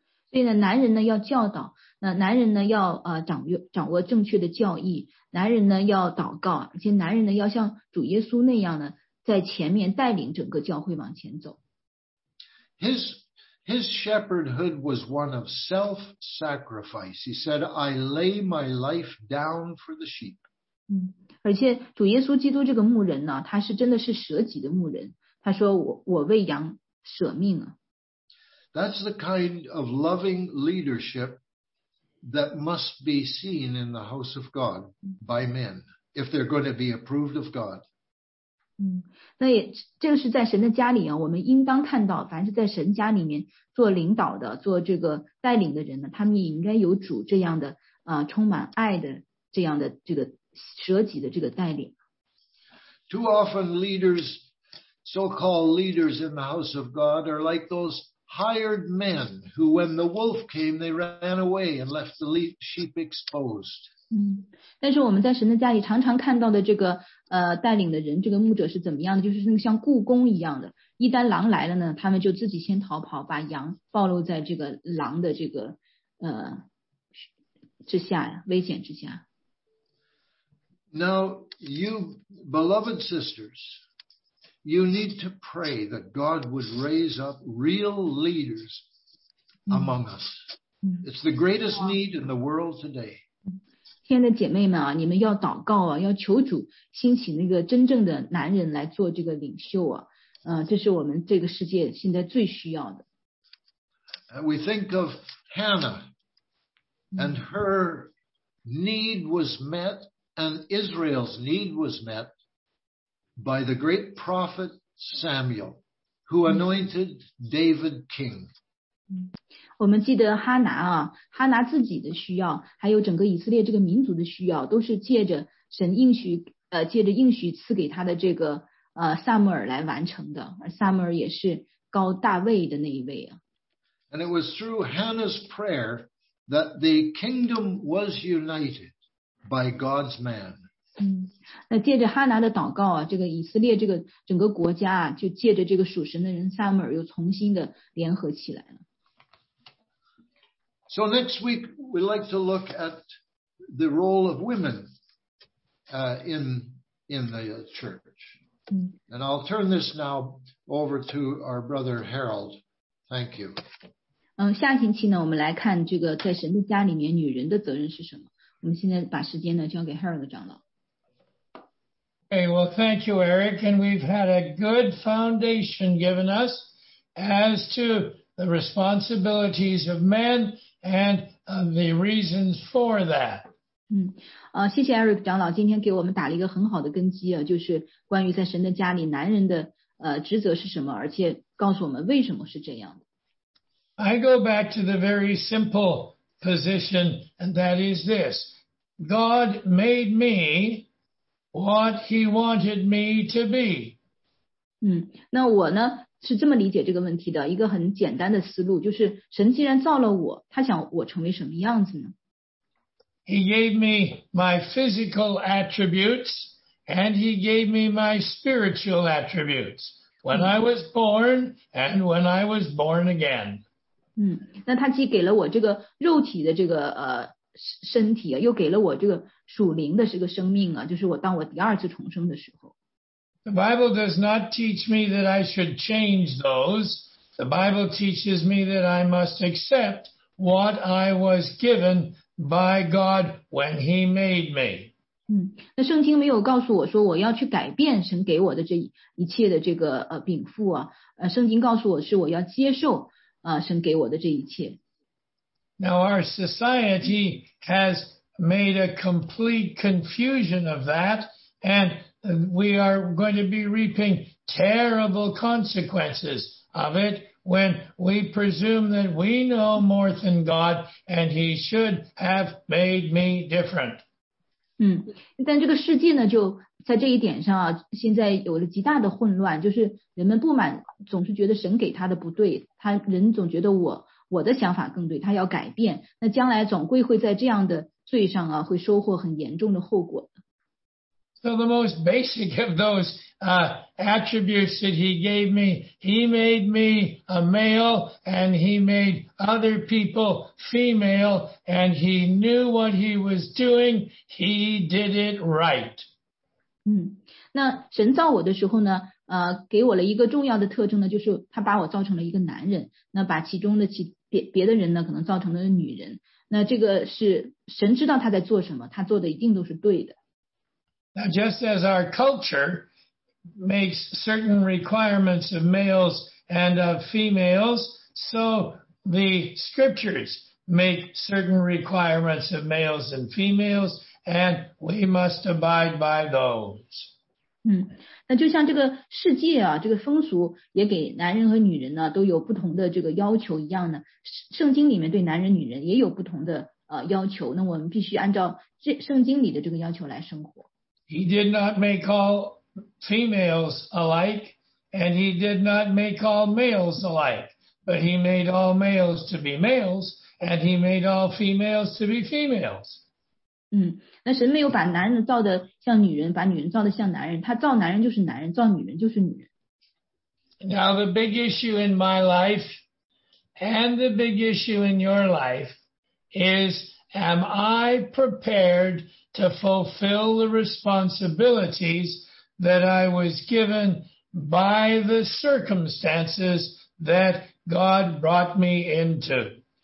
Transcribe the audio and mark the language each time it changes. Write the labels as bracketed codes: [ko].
[zh] 所以呢，男人呢要教导，那男人呢要掌握正确的教义，男人呢要祷告，而且男人呢要像主耶稣那样呢，在前面带领整个教会往前走。 [en] His shepherdhood was one of self-sacrifice. He said, I lay my life down for the sheep. [zh] 而且主耶稣基督这个牧人呢，他是真的是舍己的牧人。他说我为羊舍命啊。 [en] That's the kind of loving leadership that must be seen in the house of God by men if they're going to be approved of God. [zh] 那也这个是在神的家里啊，我们应当看到，凡是在神家里面做领导的，做这个带领的人呢，他们也应该有主这样的充满爱的这样的这个舍己的这个带领。 [en] Too often leaders, so-called leaders in the house of God, are like those hired men who, when the wolf came, they ran away and left the sheep exposed. [zh] 但是我们在神的家里常常看到的这个带领的人，这个牧者是怎么样的，就是那个像故宫一样的，一旦狼来了呢，他们就自己先逃跑，把羊暴露在这个狼的这个之下，危险之下。 [en] Now, you beloved sisters, you need to pray that God would raise up real leaders among us. It's the greatest need in the world today. [zh] 亲爱的姐妹们啊，你们要祷告啊，要求主兴起那个真正的男人来做这个领袖啊，这是我们这个世界现在最需要的。 [en] We think of Hannah, and her need was met, and Israel's need was met. By the great prophet Samuel, who anointed David king. [zh] 我们记得哈拿啊，哈拿自己的需要，还有整个以色列这个民族的需要，都是借着神应许，借着应许赐给他的这个撒母耳来完成的。而撒母耳也是高大卫的那一位啊。 [en] And it was through Hannah's prayer that the kingdom was united by God's man. [zh] 那借着哈拿的祷告啊，这个以色列这个整个国家啊，就借着这个属神的人撒母耳又重新的联合起来了。 [en] So next week we'd like to look at the role of women in the church. And I'll turn this now over to our brother Harold. Thank you. [zh] 下星期呢，我们来看这个在神的家里面女人的责任是什么。我们现在把时间呢交给 Harold 长老。 [en] Okay, well, thank you, Eric, and we've had a good foundation given us as to the responsibilities of men and the reasons for that. [zh] 谢谢 Eric 长老今天给我们打了一个很好的根基啊，就是关于在神的家里男人的职责是什么，而且告诉我们为什么是这样的。 [en] I go back to the very simple position, and that is this. God made me... What he wanted me to be. [zh] 那我呢是这么理解这个问题的一个很简单的思路，就是神既然造了我，他想我成为什么样子呢？ [en] He gave me my physical attributes and he gave me my spiritual attributes when I was born and when I was born again. [zh] 那他既给了我这个肉体的这个身体啊，又给了我这个属灵的这个生命啊，就是我当我第二次重生的时候。 [en] The Bible does not teach me that I should change those. The Bible teaches me that I must accept what I was given by God when He made me. [zh] 那圣经没有告诉我说我要去改变神给我的这一切的这个禀赋啊，圣经告诉我是我要接受神给我的这一切。 [en] Now our society has made a complete confusion of that, and we are going to be reaping terrible consequences of it when we presume that we know more than God and he should have made me different. [zh] 但这个世界呢，就在这一点上啊，现在有了极大的混乱，就是人们不满，总是觉得神给他的不对，他人总觉得我的想法更对，他要改变，那将来总归会在这样的罪上啊，会收获很严重的后果。 [en] So the most basic of those attributes that he gave me, he made me a male and he made other people female and he knew what he was doing, he did it right. [zh] 那神造我的时候呢，给我了一个重要的特征呢，就是他把我造成了一个男人，那把其中的别的人呢可能造成了女人，那这个是神知道他在做什么，他做的一定都是对的。 [en] Now just as our culture makes certain requirements of males and of females, so the scriptures make certain requirements of males and females, and we must abide by those. [zh] 那就像这个世界啊，这个风俗也给男人和女人呢都有不同的这个要求一样呢，圣经里面对男人女人也有不同的要求，那我们必须按照圣经里的这个要求来生活。 [en] He did not make all females alike and he did not make all males alike, but he made all males to be males and he made all females to be females. [zh] 那神没有把男人造的像女人，把女人造的像男人，他造男人就是男人，造女人就是女人。 [en] Now the big issue in my life and the big issue in your life is, am I prepared to fulfill the responsibilities that I was given by the circumstances that God brought me into?